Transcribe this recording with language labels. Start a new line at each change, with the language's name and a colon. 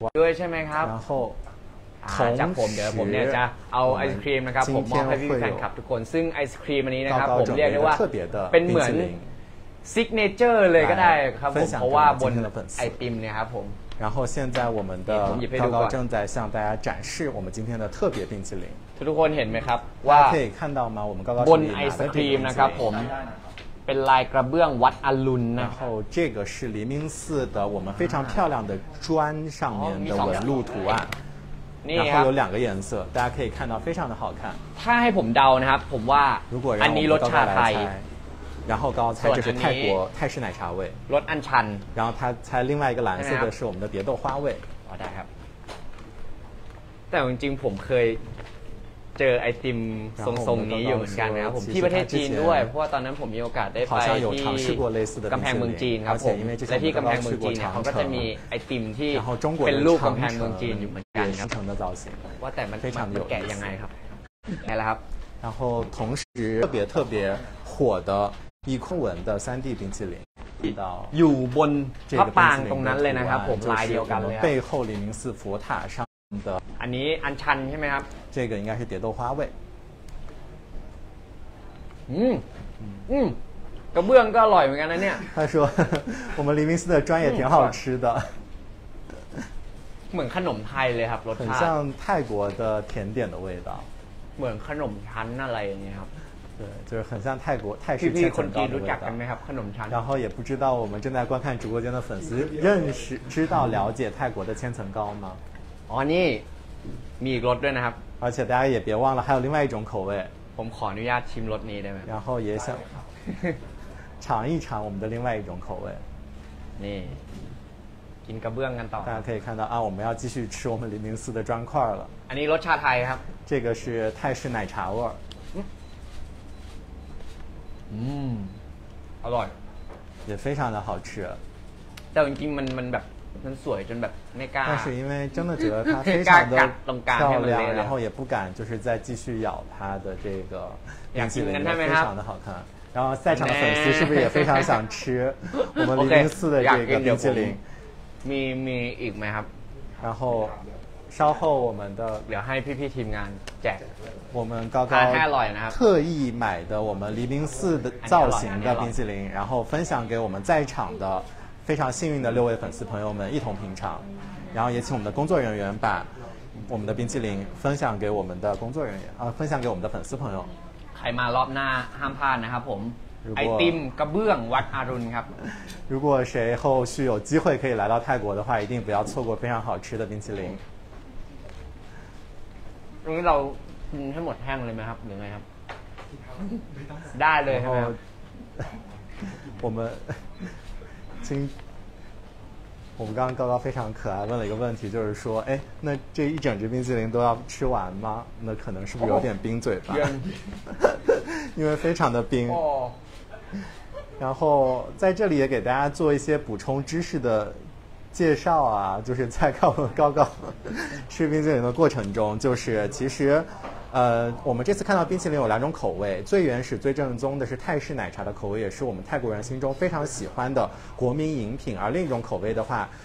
Thai: ด้วยใช่ไหมครับของจากผมเดี๋ยวผมเนี่ยจะเอาไอศครีมนะครับผมมอบให้พี่แฟนคลับทุกคนซึ่งไอศครีมอันนี้นะครับผมเรียกได้ว่าเป็นเหมือนซิกเนเจอร์เลยก็ได้ครับผมเพราะว่าบนไอติมเนี่ยครับผม
Chinese: 然后现在我们的高高正在向大家展示我们今天的特别冰淇淋
Thai: ทุกคนเห็นไหมครับว่า คุณเห็นไหมครับว่า บนไอศครีมนะครับผมเป็นลายกระเบื้องวัดอรุณนะ
Chinese: 然后这个是黎明寺的我们非常漂亮的砖上面的纹路图案然后有两个颜色大家可以看到非常的好看
Thai: ถ้าให้ผมเดานะครับผมว่า อันนี้รสชาติไทย
Chinese: 然后刚才这是泰国泰式奶茶味
Thai: รสอัญชัน
Chinese: 然后他猜另外一个蓝色的是我们的蝶豆花味好的
Thai: ครับแต่จริงๆผมเคยเจอไอติมทรงๆนี้อยู่เหมือนกันนะครับผมที่ประเทศจีนด้วยเพราะว่าตอนนั้นผมมีโอกาสได้ไปที่ กำแพงเมืองจีนครับผมและที่กำแพงเมืองจีนเขาก็จะมีไอติมที่เป็นรูปกำแพงเมืองจีนอยู่เหมือนกันนะครับ ว่าแต่มันแกะยังไงครับไหนแล้วครับ
Chinese: 然后同时特别特别火的一空文的 3D 冰淇淋
Thai: อยู่บนพระปางตรงนั้นเลยนะครับผมลายเดียวกันเลย
Chinese: 背后黎明寺佛塔上
Thai: อันนี้อันชันใช่ไหมครับ
Chinese: 这个应该是蝶豆花味
Thai: กระเบื้องก็อร่อยเหมือนกันนะเนี่ย
Chinese: 他说我们黎明寺的砖也挺好吃的
Thai: เหมือนขนมไทยเลยครับรสชาติ
Chinese: 很像泰国的甜点的味道
Thai: เหมือนขนมชั้นอะไรอย่างเงี้ยครับ
Chinese: 对就是很像泰国泰式千层糕的味道
Thai: คนไทยรู้จักกันไหมครับขนมชั้
Chinese: น然后也不知道我们正在观看直播间的粉丝认识知道了解泰国的千层糕吗
Thai: อ๋อนี่มีอีกรสด้วยนะครับ
Chinese: 而且大家也别忘了还有另外一种口味
Thai: ผมขออนุญาตชิมรสนี้ได้ไหม
Chinese: 然后也想尝一尝我们的另外一种口味
Thai: นี่กินกระเบื้องกันต่อ
Chinese: 大家可以看到啊我们要继续吃我们黎明寺的砖块了
Thai: อันนี้รสชาไทยครับ
Chinese: 这个是泰式奶茶味
Thai: อร่อย
Chinese: 也非常的好吃
Thai: แต่จริงๆมันแบบมันสวยจนแบบไม่กล้า
Chinese: 但是因为真的觉得它非常的漂亮然后也不敢就是再继续咬它的这个冰淇淋非常的好看然后赛场的粉丝是不是也非常想吃我们黎明寺的这个冰淇淋
Thai: มีอีกไหมครับ
Chinese: 然后稍后我们的
Thai: เดี๋ยวให้พี่ๆทีมงานแจก
Chinese: 我们高高特意买的我们黎明寺的造型的冰淇淋然后分享给我们在场的非常幸运的六位粉丝朋友们一同品尝然后也请我们的工作人员把我们的冰淇淋分享给我们的工作人员分享给我们的粉丝朋友
Thai: ใครมารอบหน้าห้ามพลาดนะครับผมไอติมกระเบื้องวัดอรุณครับ
Chinese: 如果谁后续有机会可以来到泰国的话一定不要错过非常好吃的冰淇淋
Thai: ตรงนี้เรากินให้หมดแห้งเลยไหมครับหรือไงครับได้เลยใช่ไหมครั
Chinese: บ我们亲我们刚刚高高非常可爱问了一个问题就是说哎那这一整只冰淇淋都要吃完吗那可能是不是有点冰嘴巴、哦、因为非常的冰、哦、然后在这里也给大家做一些补充知识的介绍啊就是在高高高吃冰淇淋的过程中就是其实我们这次看到冰淇淋有两种口味最原始最正宗的是泰式奶茶的口味也是我们泰国人心中非常喜欢的国民饮品而另一种口味的话